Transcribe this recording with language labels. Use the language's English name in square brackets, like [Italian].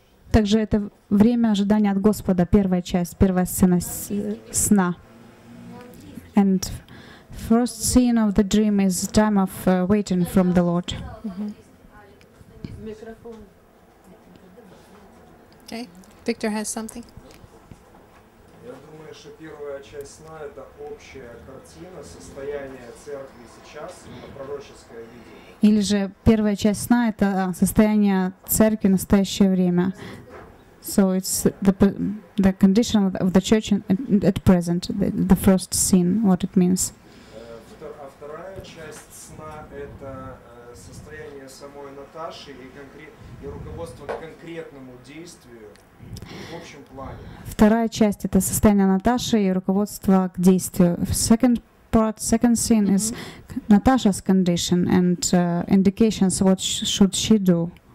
[Russian] Также это время ожидания от Господа, первая часть, первая сцена сна. [English] And first scene of the dream is time of waiting from the Lord. Okay, Victor has something. [Russian] Я думаю, что первая часть сна — это общая картина состояния церкви сейчас, пророческое видение. Или же первая часть сна — это состояние церкви в настоящее время. [English] So it's the condition of the church at present, the first scene, what it means. [Russian] А вторая часть сна — это состояние самой Наташи и руководство к конкретному действию в общем плане. Вторая часть — это состояние Наташи и руководство к действию. [English] Second scene is Natasha's condition and indications what should she do.